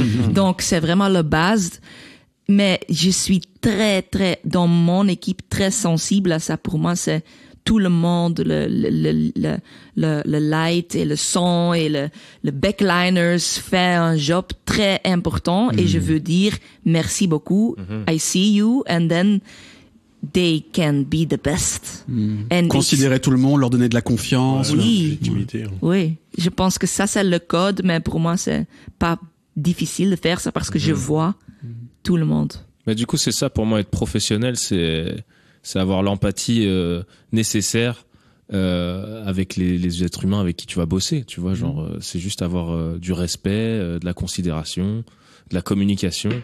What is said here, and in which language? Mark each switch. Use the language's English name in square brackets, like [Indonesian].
[French] Donc c'est vraiment la base. Mais je suis très très dans mon équipe très sensible à ça. Pour moi, c'est tout le monde, le light et le son et le backliners fait un job très important et je veux dire merci beaucoup. [English] I see you and then they can be the best. [French] Considérer tout le monde, leur donner de la confiance. Oui. Oui, je pense que ça c'est le code, mais pour moi c'est pas difficile de faire ça parce que je vois tout le monde. Mais du coup c'est ça pour moi, être professionnel c'est avoir l'empathie nécessaire avec les êtres humains avec qui tu vas bosser, tu vois, genre c'est juste avoir du respect, de la considération, de la communication.